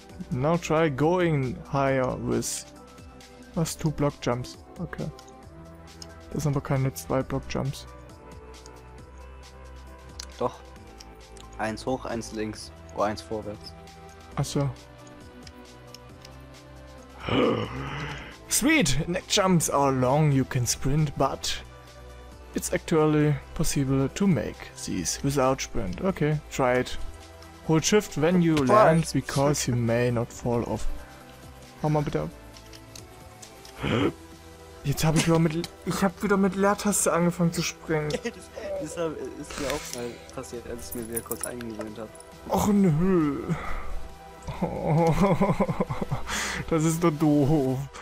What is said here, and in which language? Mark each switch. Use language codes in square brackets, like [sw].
[en] Now try going higher with... [de] was? [en] Two block jumps. Okay. [de] Das sind aber keine zwei block jumps. Doch. Eins hoch, eins links. Oder eins vorwärts. Achso. [en] Sweet! Neck jumps are long, you can sprint, but... it's actually possible to make these without sprint. Okay, try it. Hold shift when you land, because you may not fall off. [de] Hau mal bitte ab. Jetzt hab ich wieder mit... ich hab wieder mit Leertaste angefangen zu springen. Das ist mir auch mal passiert, als ich mir wieder kurz eingewöhnt hab. Och nö. Oh, das ist doch doof.